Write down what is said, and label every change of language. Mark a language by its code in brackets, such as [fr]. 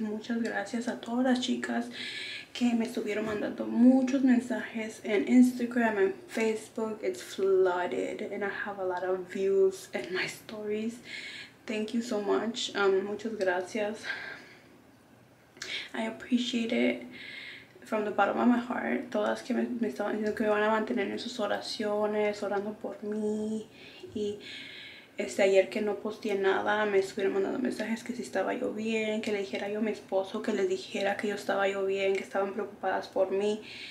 [es] Muchas gracias a todas las chicas que me estuvieron mandando muchos mensajes en Instagram, en Facebook. [en] It's flooded and I have a lot of views in my stories. Thank you so much. [es] Muchas gracias. [en] I appreciate it from the bottom of my heart. [es] Todas que me estaban diciendo que me van a mantener en sus oraciones, orando por mí. Y Ayer que no posteé nada, me estuvieron mandando mensajes que si estaba yo bien, que le dijera yo a mi esposo, que le dijera que yo estaba yo bien, que estaban preocupadas por mí.